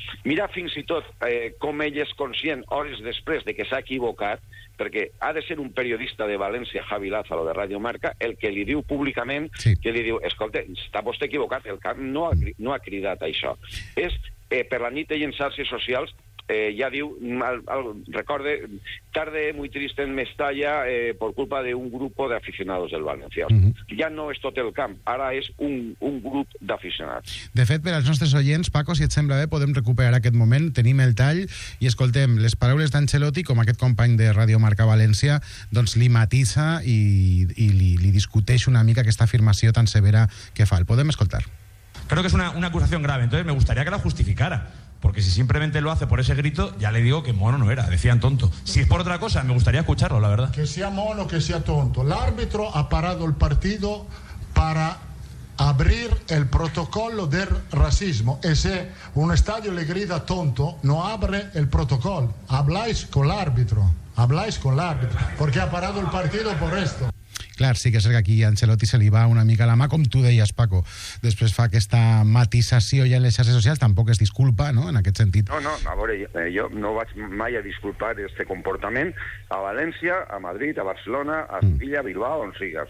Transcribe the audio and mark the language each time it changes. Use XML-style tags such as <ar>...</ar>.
<ca>Mira fins i tot com ell és conscient hores després de que s'ha equivocat, perquè ha de ser un periodista de València, Javi Lázaro, de Radio Marca, el que li diu públicament, sí. Que li diu, escolta, està vostè equivocat, el camp no ha cridat això. És per la nit ell en xarxes socials ja diu,</ca> <es>recorde, tarde muy triste en Mestalla por culpa de un grupo de aficionados del Valencia.</es> <ca>Ja no és tot el camp, ara és un grup d'aficionats. De fet, per als nostres oients, Paco, si et sembla bé, podem recuperar aquest moment, tenim el tall i escoltem les paraules d'Ancelotti, com aquest company de Ràdio Marca València, doncs li matisa i li discuteix una mica aquesta afirmació tan severa que fa. El podem escoltar.</ca> <es>Creo que es una acusación grave, entonces me gustaría que la justificara, porque si simplemente lo hace por ese grito, ya le digo que mono no era, decían tonto. Si es por otra cosa, me gustaría escucharlo, la verdad. Que sea mono, que sea tonto. El árbitro ha parado el partido para abrir el protocolo del racismo. Ese un estadio le grita tonto, no abre el protocolo. Habláis con el árbitro, habláis con el árbitro, porque ha parado el partido por esto.</es> <ca>Clar, sí que és cert que aquí a Ancelotti se li va una mica la mà, com tu deies, Paco. Després fa aquesta matisació ja en les xarxes socials, tampoc es disculpa, no?, en aquest sentit. No, a veure, jo no vaig mai a disculpar este comportament a València, a Madrid, a Barcelona, a Sevilla, a Bilbao, on sigui.</ca>